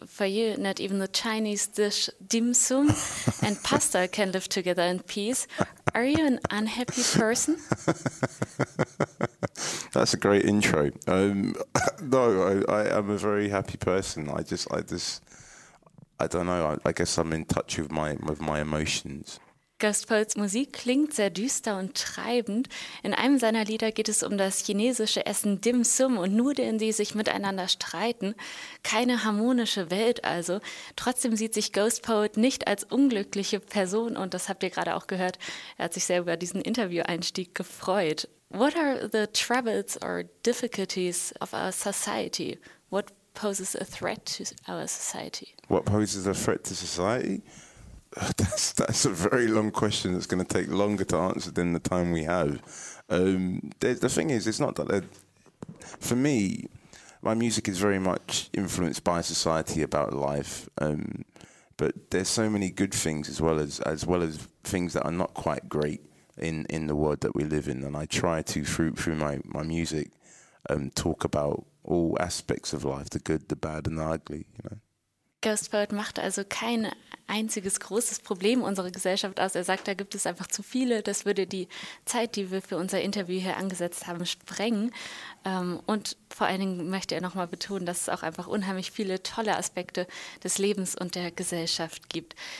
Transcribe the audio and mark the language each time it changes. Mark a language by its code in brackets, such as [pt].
[en] For you, not even the Chinese dish dim sum and pasta can live together in peace. Are you an unhappy person? That's a great intro. No, I am a very happy person. I guess I'm in touch with my emotions. [de] Ghost Poets Musik klingt sehr düster und treibend. In einem seiner Lieder geht es um das chinesische Essen Dim Sum und Nudeln, die sich miteinander streiten. Keine harmonische Welt also. Trotzdem sieht sich Ghost Poet nicht als unglückliche Person und das habt ihr gerade auch gehört. Er hat sich sehr über diesen Intervieweinstieg gefreut. [en] What are the troubles or difficulties of our society? What poses a threat to our society? What poses a threat to society? That's a very long question that's going to take longer to answer than the time we have. The thing is, it's not that for me, my music is very much influenced by society about life. But there's so many good things as well as things that are not quite great in the world that we live in. And I try to, through my music, talk about all aspects of life, the good, the bad and the ugly, you know. [de] Ghost Poet macht also kein einziges großes Problem unserer Gesellschaft aus. Er sagt, da gibt es einfach zu viele. Das würde die Zeit, die wir für unser Interview hier angesetzt haben, sprengen. Und vor allen Dingen möchte er nochmal betonen, dass es auch einfach unheimlich viele tolle Aspekte des Lebens und der Gesellschaft gibt.